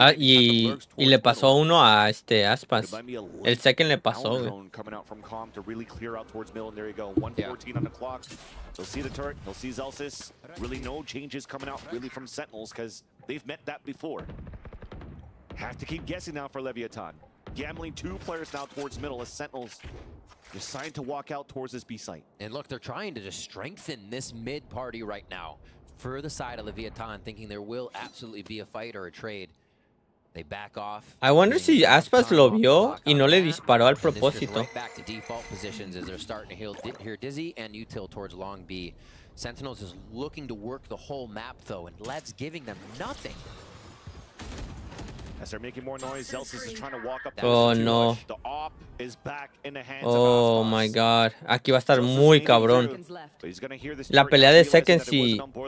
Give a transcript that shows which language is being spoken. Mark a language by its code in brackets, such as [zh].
[es] Ah, y le pasó uno a este Aspas. El second le pasó. [en] Coming out from comm to really clear out towards middle, and there you go. 1:14 on the clock. He'll see the turret. He'll see Zelsis. Really, no changes coming out really from Sentinels because they've met that before. Have to keep guessing now for Leviathan. Gambling two players now towards middle as Sentinels decide to walk out towards this B site. And look, they're trying to just strengthen this mid party right now. For the side of Leviathan, thinking there will absolutely be a fight or a trade, they back off. I wonder if Aspas [es] lo vio y no le disparó al propósito. [en] Right back to default positions as they're starting to heal here. Dizzy and util towards long B. Sentinels is looking to work the whole map though, and Lev's giving them nothing. As they're making more noise, Zelsis is trying to walk up. Oh no. The op is back in the hands of Aspas. Oh my god. [es] Aquí va a estar muy cabrón. La pelea de seconds y...